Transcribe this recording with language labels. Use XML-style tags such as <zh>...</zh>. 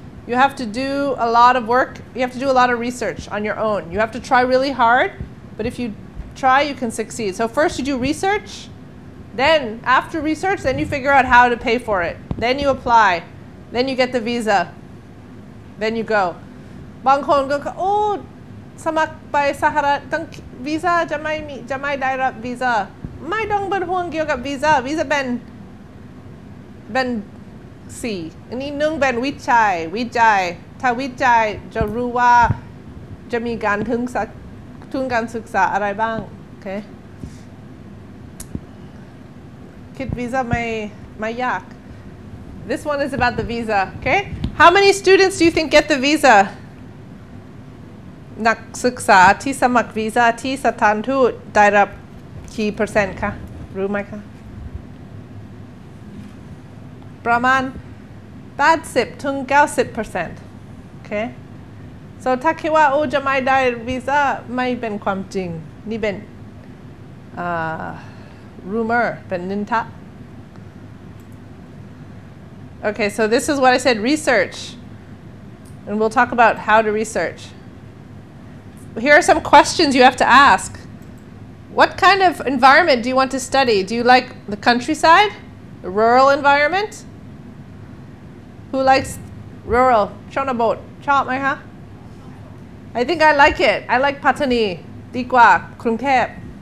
<en>You have to do a lot of work You have to do a lot of research on your own You have to try really hard But if you try you can succeed So first you do research Then after research then you figure out how to pay for it Then you apply Then you get the visaThen you go.</en> <th>บางคนก็โอ้สมัครไปสหรัฐต้องวีซ่าจะไม่ได้รับวีซ่าไม่ต้องเป็นห่วงเกี่ยวกับวีซ่าเป็นสี่อันนี้หนึ่งเป็นวิจัยถ้าวิจัยจะรู้ว่าจะมีการทุนการศึกษาอะไรบ้างโอเคคิดวีซ่าไม่ยาก</th> <en>This one is about the visa okay? How many students do you think get the visa?</en> <th>นักศึกษาที่สมัครวีซ่าที่สถานทูตได้รับกี่เปอร์เซ็นต์คะรู้ไหมคะประมาณ 80-90% โอเค so ถ้าคิดว่าโอ้จะไม่ได้วีซ่าไม่เป็นความจริงนี่เป็น rumor เป็นนินทา</th> <en>Okay, so this is what I said, research. And we'll talk about how to research. Here are some questions you have to ask. What kind of environment do you want to study? Do you like the countryside? The rural environment? Who likes rural? Chonabot. Chop, my huh? I think I like it. I like Patani. Dikwa. Krungkep.</en>